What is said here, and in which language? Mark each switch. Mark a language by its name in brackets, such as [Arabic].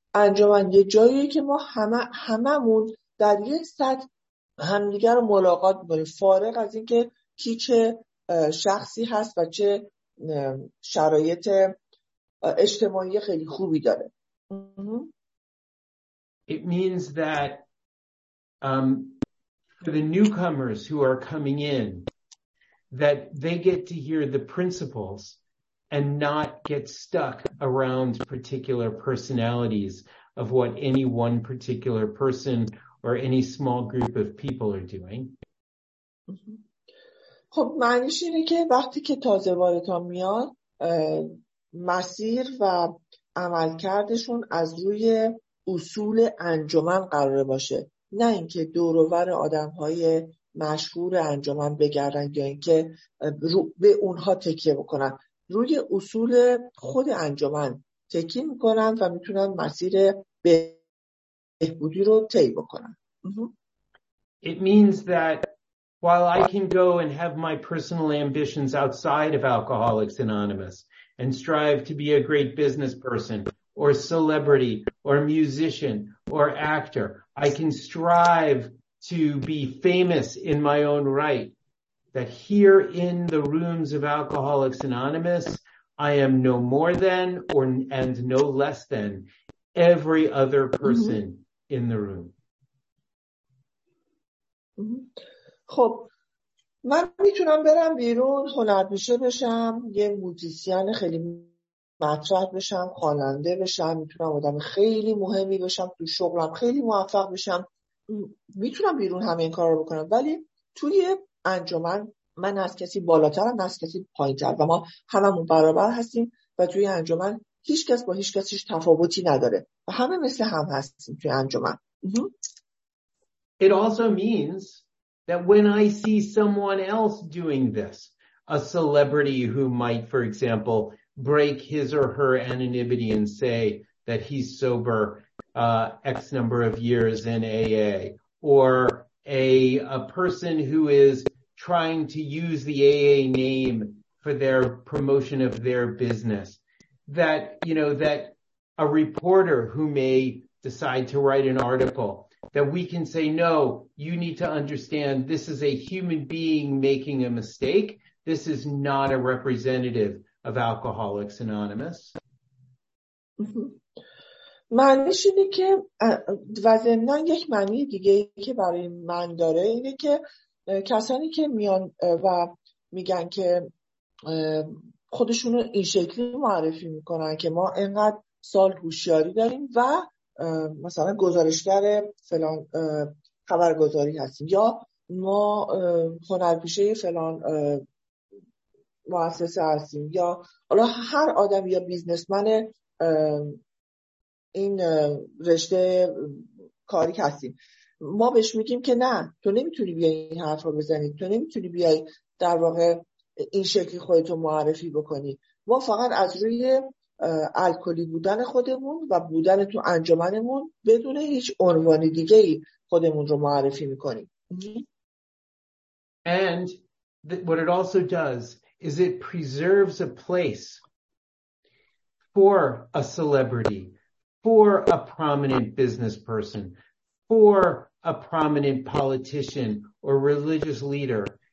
[Persian] انجمن یه جاییه که ما هممون در یه سطح همدیگر رو ملاقات می‌کنیم، فارغ از اینکه کی چه شخصی هست و چه شرایط اجتماعی خیلی خوبی داره. [English] It means that for the newcomers who are coming in, that they get to hear the principles and not get stuck around particular personalities of what any one particular person or any small group of people are doing. [Persian] خب معنیش اینه که وقتی که تازه واردان میان، مسیر و عمل کردشون از روی اصول انجمن قراره باشه، نه اینکه دور و بر آدم‌های مشهور انجمن بگردن یا اینکه به اونها تکیه بکنن. روی اصول خود انجمن تکیه می‌کنن و میتونن مسیر بهبودی رو طی بکنن. [English] It means that while I can go and have my personal ambitions outside of Alcoholics Anonymous and strive to be a great business person or celebrity or musician or actor, I can strive to be famous in my own right, that here in the rooms of Alcoholics Anonymous, I am no more than or and no less than every other person in the room. [Persian] خب من میتونم برم بیرون، هنرپیشه بشم، یه موزیسین خیلی مطرح بشم، خواننده بشم، میتونم آدم خیلی مهمی بشم، تو شغلم خیلی موفق بشم، میتونم بیرون همه این کار رو بکنم، ولی توی انجمن من از کسی بالاتر هم از کسی پایین‌تر و ما هممون برابر هستیم و توی انجمن هیچ کس با هیچ کسیش تفاوتی نداره و همه مثل هم هستیم توی انجمن. [English] It also means that when I see someone else doing this, a celebrity who might, for example, break his or her anonymity and say that he's sober X number of years in AA, or a person who is trying to use the AA name for their promotion of their business, that, you know, that a reporter who may decide to write an article, that we can say, no, you need to understand this is a human being making a mistake. This is not a representative of Alcoholics Anonymous. [Persian] معنیش اینه که و ضمناً یک معنی دیگه ای که برای من داره اینه که کسانی که میان و میگن که خودشونو این شکلی معرفی میکنن که ما اینقدر سال هوشیاری داریم و مثلا گزارشگر فلان خبرگزاری هستیم یا ما هنرپیشه فلان مؤسسه هستیم یا حالا هر آدم یا بیزنسمن این رشته کاری هستیم، ما بهش میگیم که نه، تو نمیتونی بیای این حرف رو بزنی، تو نمیتونی بیای در واقع این شکلی خودتو معرفی بکنی. ما فقط از روی الکلی بودن خودمون و بودن تو انجمنمون بدون هیچ عنوان دیگه خودمون رو معرفی میکنیم. [English] And what it also does is it preserves a place for a celebrity, for a prominent business person, for a prominent politician or religious leader